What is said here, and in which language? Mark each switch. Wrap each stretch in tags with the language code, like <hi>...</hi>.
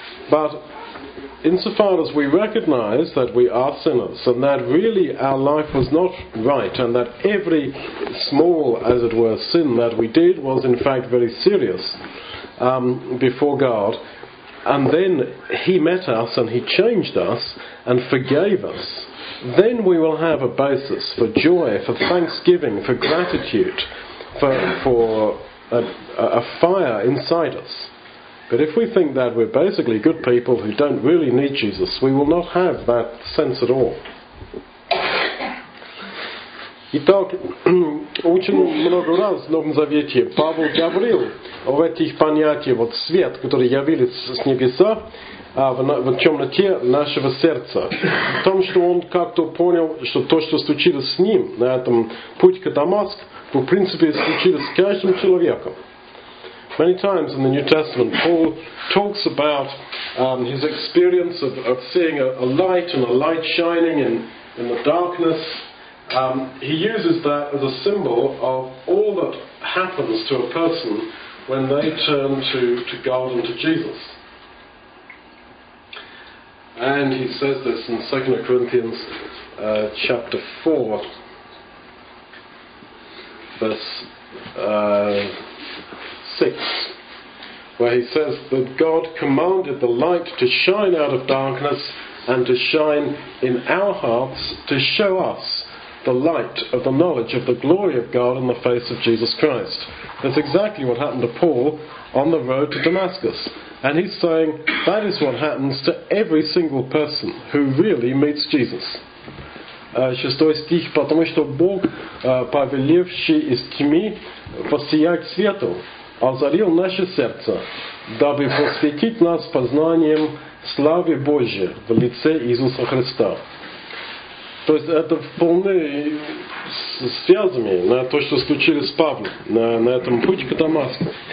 <en>But insofar as we recognize that we are sinners and that really our life was not right and that every small, as it were, sin that we did was in fact very serious before God, and then he met us and he changed us and forgave us, then we will have a basis for joy, for thanksgiving, for gratitude, for a fire inside us. But if we think that we're basically good people who don't really need Jesus, we will not have that sense at all.</en> <ru>Итак, очень много раз в Новом Завете Павел говорил об этих понятиях, вот свет, который явился с небеса, в темноте нашего сердца. В том, что он как-то понял, что то, что случилось с ним на этом путь к Дамаску, в принципе, случилось с каждым человеком.</ru> <en>Many times in the New Testament, Paul talks about his experience of seeing a light and a light shining in the darkness. He uses that as a symbol of all that happens to a person when they turn to God and to Jesus. And he says this in 2 Corinthians chapter 4, verse 6, where he says that God commanded the light to shine out of darkness and to shine in our hearts to show us the light of the knowledge of the glory of God in the face of Jesus Christ. That's exactly what happened to Paul on the road to Damascus. And he's saying that is what happens to every single person who really meets Jesus.</en> <ru>6 стих, потому что Бог, повелевший из тьмы, воссиять свету, озарил наше сердце, дабы посвятить нас познанием славы Божьей в лице Иисуса Христа. То есть это вполне связано на то, что случилось с Павлом на этом пути к Дамаску.</ru>